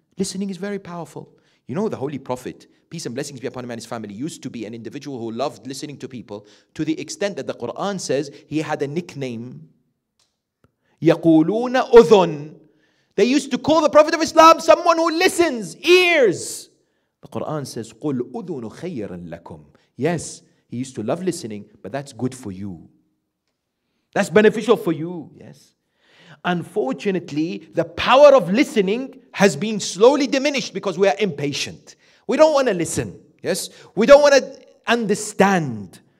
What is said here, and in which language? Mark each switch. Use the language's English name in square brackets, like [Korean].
[English] Listening is very powerful. You know, the Holy Prophet, peace and blessings be upon him and his family, used to be an individual who loved listening to people, to the extent that the Quran says he had a nickname, [Arabic] يَقُولُونَ أُذُن. [English] They used to call the Prophet of Islam someone who listens, ears. The Quran says, [Arabic] قُلْ أُذُنُ خَيْرًا لَكُمْ. [English] Yes, he used to love listening, but that's good for you. That's beneficial for you, yes. Unfortunately, the power of listening has been slowly diminished because we are impatient. We don't want to listen, yes? We don't want to understand.